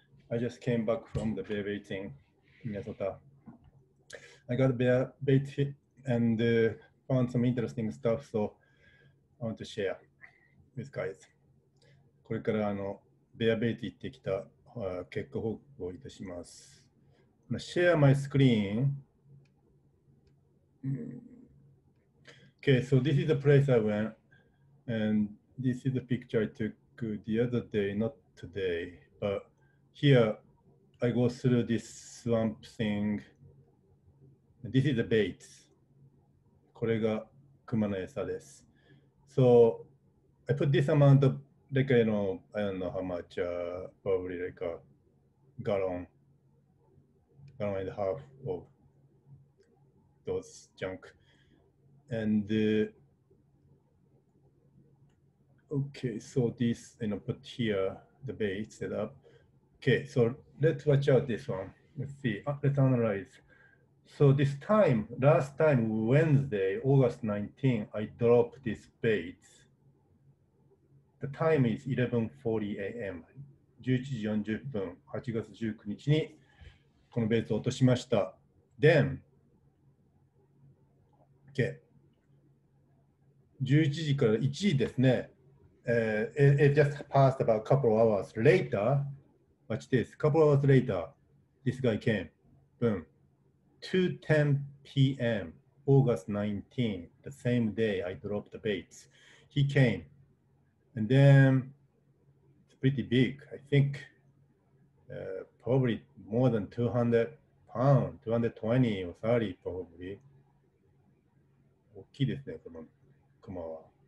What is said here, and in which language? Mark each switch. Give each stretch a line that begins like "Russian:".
English: I just came back from the bear baiting in Minnesota. I got a bear bait hit and found some interesting stuff, so I want to share with guys.
Japanese: これからベアベイティ行ってきた結果報告をいたします。
English: Share my screen. Okay, so this is the place I went. And this is the picture I took the other day, not today, but here I go through this swamp thing. This is the bait.
Japanese: これが熊の餌です。
English: So I put this amount of, like, I don't know how much, probably like a gallon and a half of those junk. Okay, so this, put here the bait set up. Okay, so let's watch out this one. Let's see. Let's analyze. So this time, last time, Wednesday, August 19, I dropped this bait. The time is 11:40 a.m.
Japanese: 11時40分, 8月19日にこのベイツを落としました。
English: Then, okay,
Japanese: 11時から1時ですね。
English: It just passed about a couple of hours later. Watch this. Couple of hours later, this guy came. Boom. 2:10 p.m. August 19, the same day I dropped the baits. He came. And then, it's pretty big. I think probably more than 200 pounds, 220 or 30 probably.
Japanese: 大きいですね、この熊は。